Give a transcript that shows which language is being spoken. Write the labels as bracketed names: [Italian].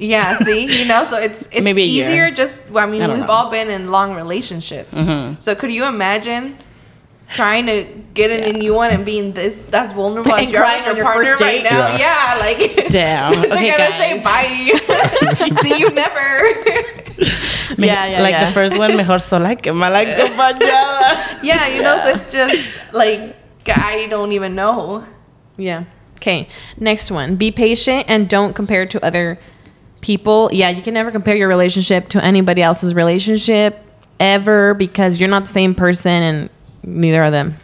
[English] Yeah, see, you know, so it's maybe easier year. Just, well, I mean, I we've know. All been in long relationships. Mm-hmm. So could you imagine trying to get in a new one and being this, that's vulnerable and as you're with your partner first date? Right now? Yeah, yeah, like, damn. They're okay, going to say bye. See you never. The first one, [Spanish] mejor sola que mal acompañada. [English] Yeah, you know, so it's just like, I don't even know. Yeah. Okay, next one. Be patient and don't compare to other people. Yeah, you can never compare your relationship to anybody else's relationship ever because you're not the same person and neither are them.